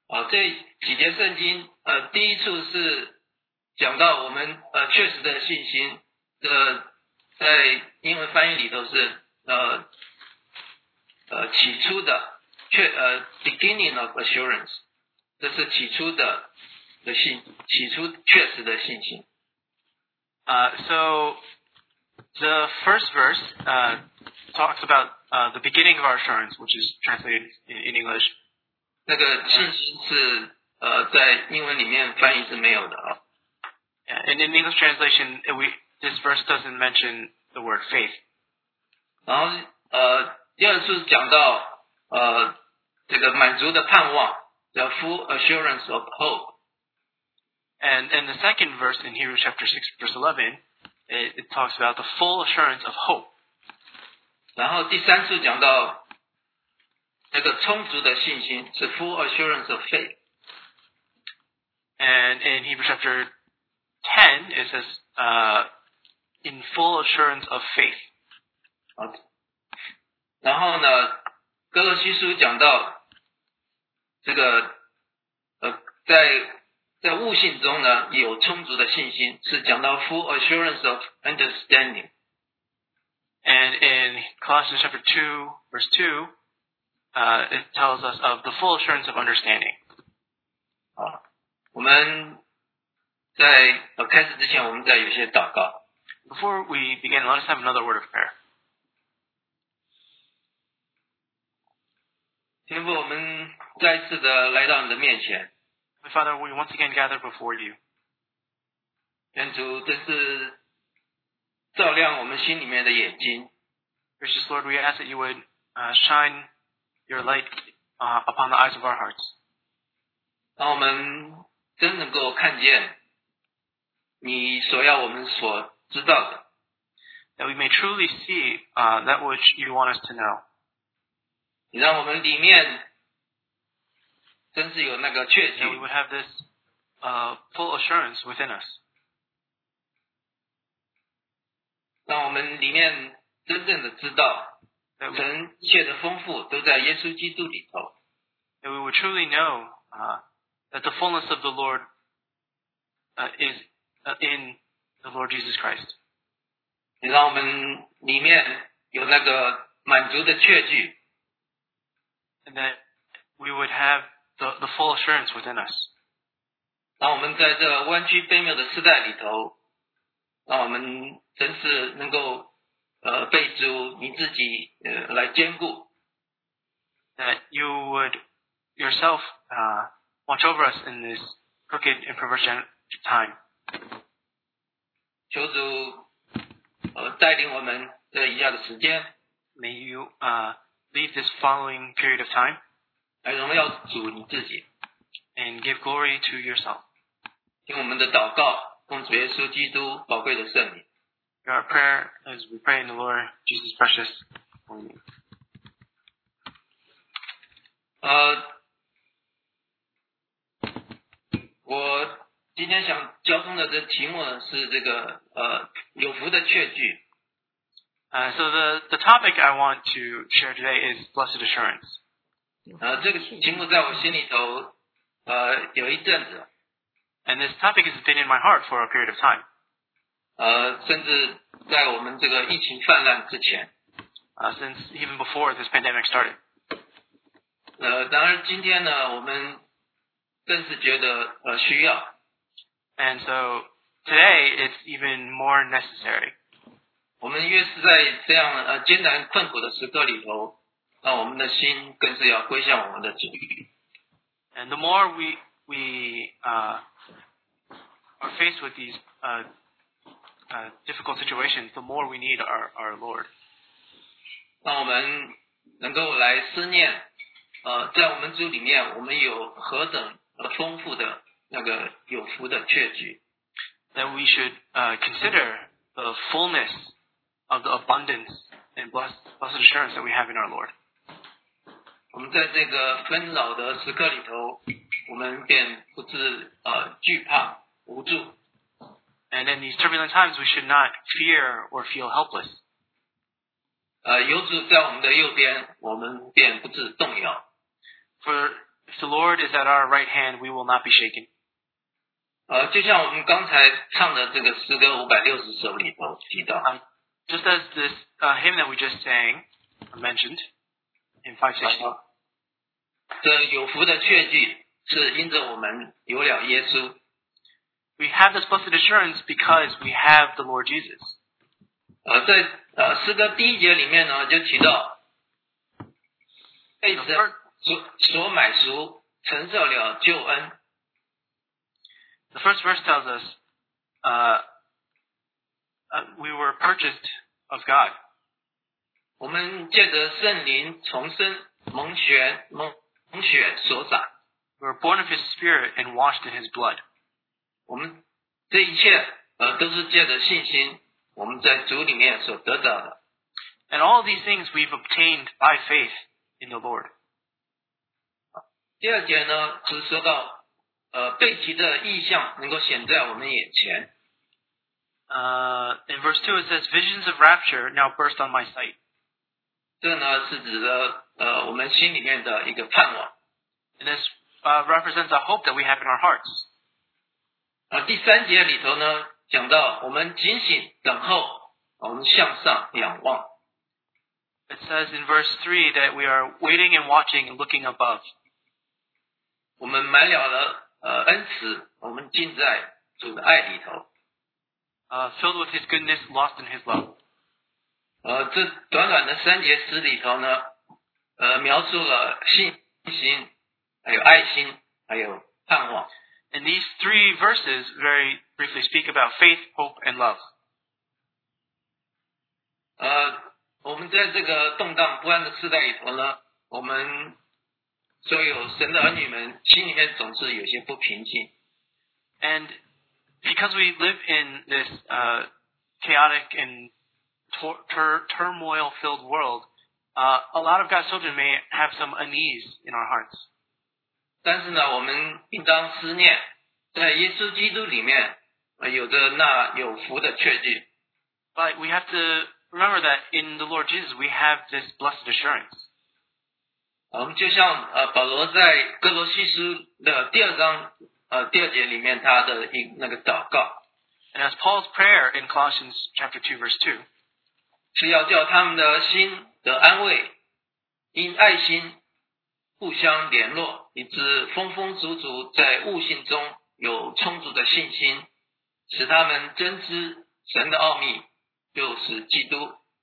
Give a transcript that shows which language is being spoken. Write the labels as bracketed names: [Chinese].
[Chinese] 这几节圣经第一处是讲到我们确实的信心的，在英文翻译里头是起初的确 [English] beginning of assurance. [Chinese] 这是起初确实的信心。 [English] So the first verse talks about the beginning of our assurance, which is translated in English. [Chinese] 那个信心是在英文里面翻译是没有的啊。 [English] Yeah, and in English translation, this verse doesn't mention the word faith. [Chinese] 然后第二处讲到这个满足的盼望。 [English] The full assurance of hope. And the second verse in Hebrews chapter 6 verse 11, it talks about the full assurance of hope. [Chinese] 然后第三处讲到那个充足的信心是 [English] full assurance of faith. And in Hebrews chapter 10, it says, in full assurance of faith. [Chinese] Okay. 然后呢哥罗西书讲到这个在悟性中呢有充足的信心，是讲到 [English] full assurance of understanding. And in Colossians chapter 2 verse 2, it tells us of the full assurance of understanding. [Chinese] 我们在开始之前我们再有些祷告。 [English] Before we begin, let us have another word of prayer. [Chinese] 天父，我们再次的来到你的面前。 [English] Father, we once again gather before you. [Chinese] 天主，这是照亮我们心里面的眼睛。 [English] Gracious Lord, we ask that you would shine your light upon the eyes of our hearts. [Chinese] 让我们真能够看见你所要我们所知道的。 [English] That we may truly see that which you want us to know. [Chinese] 你让我们里面真是有那个确信。 [English] That we would have this full assurance within us. [Chinese] 让我们里面真正的知道神一切的丰富都在耶稣基督里头。 [English] That we would truly know that the fullness of the Lord is in the Lord Jesus Christ. [Chinese] 你让我们里面有那个满足的确据。 [English] And that we would have the full assurance within us. [Chinese] 让我们在这弯曲卑谬的时代里头，让我们真是能够被主你自己来坚固。 [English] That you would yourself watch over us in this crooked and perverse time. [Chinese] 求主带领我们这以下的时间。 [English] May you lead this following period of time. [Chinese] 来荣耀主你自己。 [English] And give glory to yourself. [Chinese] 听我们的祷告，奉主耶稣基督宝贵的圣名。 [English] Our prayer as we pray in the Lord Jesus precious for you. [Chinese] 我今天想交通的这题目是这个有福的确据。 [English] So the topic I want to share today is blessed assurance. [Chinese] 这个题目在我心里头有一阵子。 [English] And this topic has been in my heart for a period of time. [Chinese] 甚至在我们这个疫情泛滥之前 [English] since even before this pandemic started. [Chinese] 然而今天呢，我们更是觉得需要。 [English] And so today it's even more necessary. [Chinese] 我们越是在这样艰难困苦的时刻里头，那我们的心更是要归向我们的主。 [English] And the more we are faced with these difficult situations, the more we need our Lord. [Chinese] 让我们能够来思念在我们主里面我们有何等丰富的那个有福的确据。 [English] That we should consider the fullness of the abundance and blessed assurance that we have in our Lord. [Chinese] 我们在这个纷扰的时刻里头，我们便不知惧怕无助。 [English] And in these turbulent times, we should not fear or feel helpless. [Chinese] 有主在我们的右边，我们便不致动摇。 [English] For if the Lord is at our right hand, we will not be shaken. [Chinese] 就像我们刚才唱的这个诗歌560首里头提到。 [English] Just as this hymn that we just sang mentioned in 560. [Chinese] 这有福的确据是因着我们有了耶稣。 [English] We have this blessed assurance because we have the Lord Jesus. [Chinese] 在诗歌第一节里面呢，就提到被所买赎，承受了救恩。 [English] The first verse tells us, we were purchased of God. [Chinese] 我们借着圣灵重生，蒙血所染。 [English] We were born of His Spirit and washed in His blood. [Chinese] 我们这一切都是借着信心我们在主里面所得到的。 [English] And all these things we've obtained by faith in the Lord. [Chinese] 第二节呢是说到背起的意象能够显在我们眼前。 [English] In verse 2 it says, visions of rapture now burst on my sight. [Chinese] 这呢是指的我们心里面的一个盼望。 [English] And this represents a hope that we have in our hearts. [Chinese] 第三节里头呢讲到我们警醒等候，我们向上仰望。 [English] It says in verse 3 that we are waiting and watching and looking above. [Chinese] 我们满了恩慈，我们浸在主的爱里头。 [English] Filled with his goodness, lost in his love. [Chinese] 这短短的三节诗里头呢描述了信心，还有爱心，还有盼望。 [English] And these three verses very briefly speak about faith, hope, and love. [Chinese] 我们在这个动荡不安的时代里头呢，我们所有神的儿女们心里面总是有些不平静。 [English] And because we live in this chaotic and turmoil filled world, a lot of God's children may have some unease in our hearts. [Chinese] 但是呢，我们应当思念在耶稣基督里面有着那有福的确据。 [English] But we have to remember that in the Lord Jesus, we have this blessed assurance. [Chinese] 我们就像保罗在哥罗西书的第二章第二节里面他的那个祷告。 [English] And as Paul's prayer in Colossians chapter 2 verse 2, [Chinese] 是要叫他们的心得安慰，因爱心互相联络，以致丰丰足足在悟性中有充足的信心，使他们真知神的奥秘，就是基督。